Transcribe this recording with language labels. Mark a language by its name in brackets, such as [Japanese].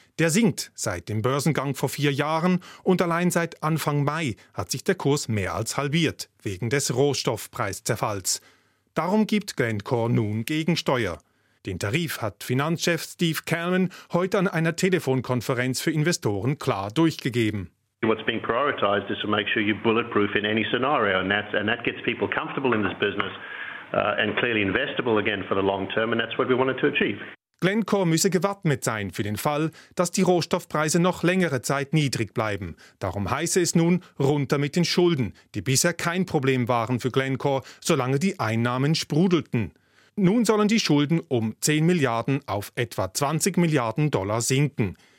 [German] Der sinkt seit dem Börsengang vor 4 Jahren und allein seit Anfang Mai hat sich der Kurs mehr als halbiert, wegen des Rohstoffpreiszerfalls. Darum gibt Glencore nun Gegensteuer. Den Tarif hat Finanzchef Steve Kalman heute an einer Telefonkonferenz für Investoren klar durchgegeben. [English] What's being prioritized is to make sure you're bulletproof in any scenario, and that gets people comfortable in this business and clearly investable again for the long term, and that's what we wanted to achieve. [German] Glencore müsse gewappnet sein für den Fall, dass die Rohstoffpreise noch längere Zeit niedrig bleiben. Darum heiße es nun runter mit den Schulden, die bisher kein Problem waren für Glencore, solange die Einnahmen sprudelten. Nun sollen die Schulden um 10 Milliarden auf etwa 20 Milliarden Dollar sinken.